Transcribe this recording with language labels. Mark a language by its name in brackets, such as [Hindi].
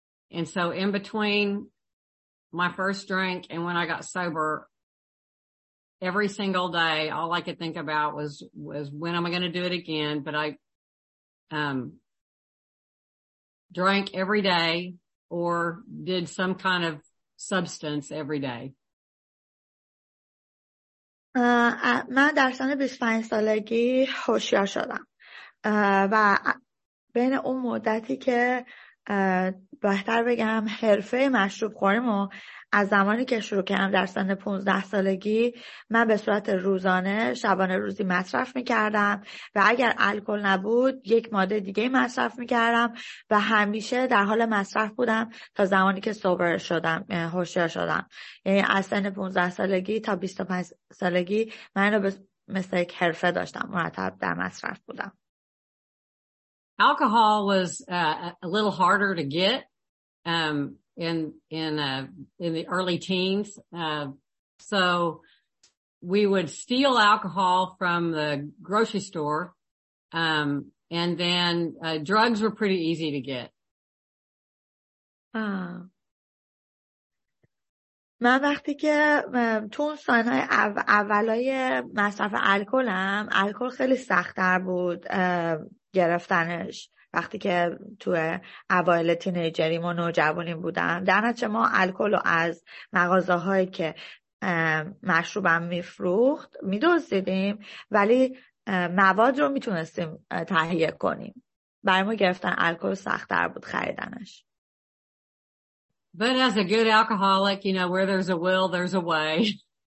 [English] And so in between my first drink and when I got sober, every single day, all I could think about was when am I going to do it again? But I drank every day or did some kind of substance every day. [Persian] من در سن 25 سالگی هوشیار شدم و بین اون مدتی که بهتر بگم حرفه مشروب خوریم و از زمانی که شروع کردم در سن 15 سالگی، من به صورت روزانه شبانه روزی مصرف میکردم و اگر الکل نبود یک ماده دیگه مصرف میکردم و همیشه در حال مصرف بودم تا زمانی که سوبر شدم، هوشیار شدم. یعنی از سن 15 سالگی تا 25 سالگی من رو مثل یک حرفه داشتم، مرتب در مصرف بودم. [English] Alcohol was a little harder to get in the early teens, so we would steal alcohol from the grocery store, and then drugs were pretty easy to get. [Persian] من وقتی که تو سنهای اولای مصرف الکلم، الکل خیلی سخت‌تر بود گرفتنش وقتی که تو اوایل تینیجریم و نوجوانیم بودم. در نتیجه ما الکل رو از مغازه‌هایی که مشروبم میفروخت میدزدیدیم، ولی مواد رو میتونستیم تهیه کنیم. برای ما گرفتن الکل سخت‌تر بود خریدنش. [English] But as a good alcoholic, you know, where there's a will, there's a way.